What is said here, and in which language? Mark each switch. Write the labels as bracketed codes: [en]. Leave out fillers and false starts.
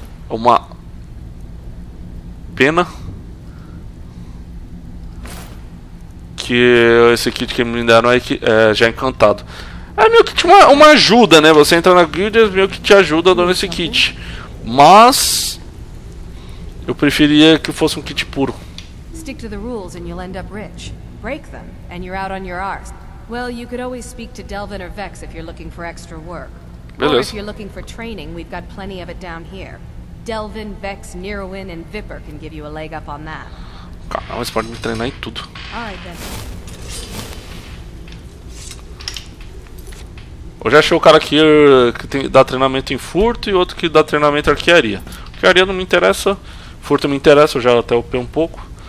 [pt] Uma pena que esse kit que me deram aí é já encantado. É meio que uma ajuda, né? Você entra na guild e meio que te ajuda dando esse kit. Mas eu preferia que fosse um kit puro. [en] Stick to the rules and you'll end up rich. Break them and you're out on your arse. Well, you could always speak to Delvin or Vex if you're looking for extra work. Beleza. Or if you're looking for training, we've got plenty of it down here. Delvin, Vex, Nirwin and Viper can give you a leg up on that. [pt] Caramba, você pode me treinar em tudo. [en] Alright, then. [pt] Eu já achei o cara aqui que tem, dá treinamento em furto e outro que dá treinamento em arquearia. Arquearia não me interessa. Furto me interessa, eu já até upei um pouco.